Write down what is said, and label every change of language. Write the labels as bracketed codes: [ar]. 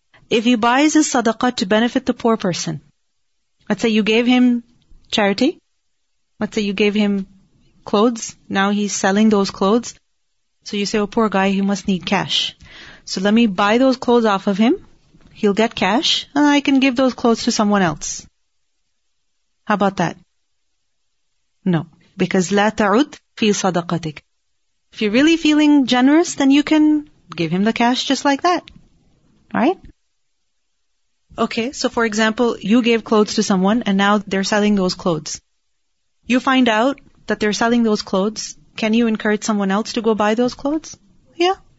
[en] If he buys his sadaqah to benefit the poor person, let's say you gave him charity, let's say you gave him clothes, now he's selling those clothes, so you say, oh, poor guy, he must need cash. So let me buy those clothes off of him, he'll get cash, and I can give those clothes to someone else. How about that? No. Because [ar] لا تعود في صدقتك. [en] If you're really feeling generous, then you can give him the cash just like that. Right? Okay, so for example, you gave clothes to someone, and now they're selling those clothes. You find out that they're selling those clothes, can you encourage someone else to go buy those clothes? Yeah.